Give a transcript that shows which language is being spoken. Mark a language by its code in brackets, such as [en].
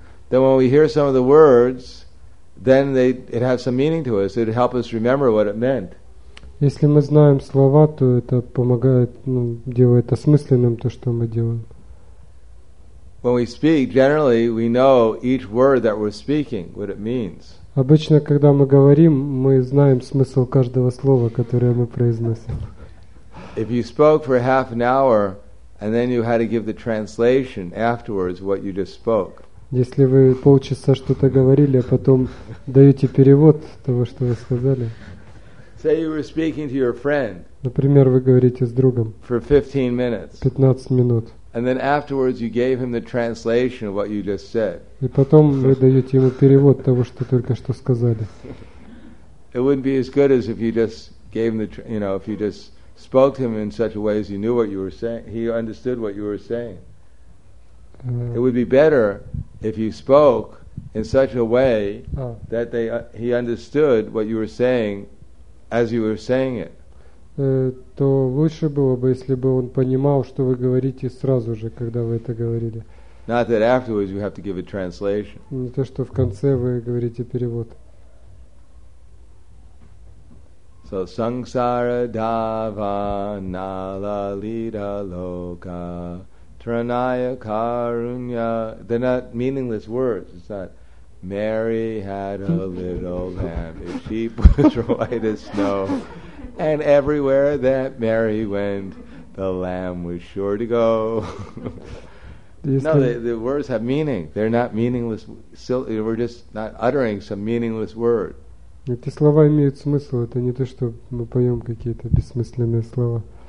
[en] Then when we hear some of the words, then it has some meaning to us. It helps us remember what it meant. [ru] Если мы знаем слова, то это помогает, ну, делает осмысленным то, что мы делаем. [en] When we speak, generally we know each word that we're speaking, what it means. [ru] Обычно, когда мы говорим, мы знаем смысл каждого слова, которое мы произносим. [en] If you spoke for half an hour and then you had to give the translation afterwards what you just spoke. [ru] Если вы полчаса что-то говорили, а потом даете перевод того, что вы сказали. [en] Say you were speaking to your friend. [ru] Например, вы говорите с другом. [en] For 15 minutes. [ru] 15 минут. [en] And then afterwards you gave him the translation of what you just said. [ru] И потом вы даете ему перевод того, что только что сказали. [en] It wouldn't be as good as if you just gave him if you just spoke to him in such a way as he knew what you were saying, he understood what you were saying. It would be better if you spoke in such a way that he understood what you were saying as you were saying it. [ru] То лучше было бы, если бы он понимал, что вы говорите сразу же, когда вы это говорили. [en] Not that afterwards you have to give a translation. [ru] Не то, что в конце вы говорите перевод. [en] So [sa] sangsara dava nala lida loka tranaya karunya. [en] They're not meaningless words. It's not Mary had a little lamb, his sheep was white as snow. And everywhere that Mary went, the lamb was sure to go. No, the words have meaning. They're not meaningless. Silly. We're just not uttering some meaningless word. [ru] Эти слова имеют смысл. Это не то, что мы поем какие-то бессмысленные слова.